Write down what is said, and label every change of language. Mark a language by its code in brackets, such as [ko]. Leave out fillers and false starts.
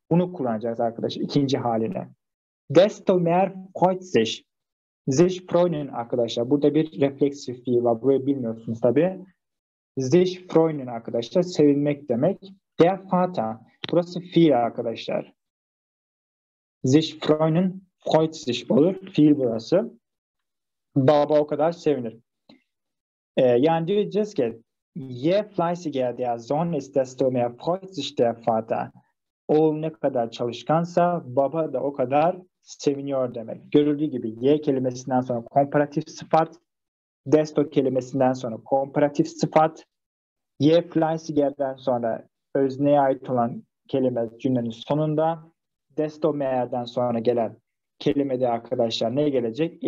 [tr] Bunu kullanacağız arkadaşlar ikinci haline. [de] Desto mehr freut sich. [tr] Sich freuen arkadaşlar. Burada bir refleksif fiil var. Burayı bilmiyorsunuz tabii. Sich freuen arkadaşlar sevinmek demek. Der Vater. Burası fiil arkadaşlar. Sich freuen freut sich olur. Fiil burası. Baba o kadar sevinir. Yani diyeceğiz ki [de] Je fleißiger der Sohn ist, desto mehr freut sich der Vater. [tr] Oğul ne kadar çalışkansa baba da o kadar seviniyor demek. Görüldüğü gibi Je kelimesinden sonra komparatif sıfat, desto kelimesinden sonra komparatif sıfat, Je fleißiger'den sonra özneye ait olan kelime cümlenin sonunda, desto mehr'den sonra gelen kelimede arkadaşlar ne gelecek?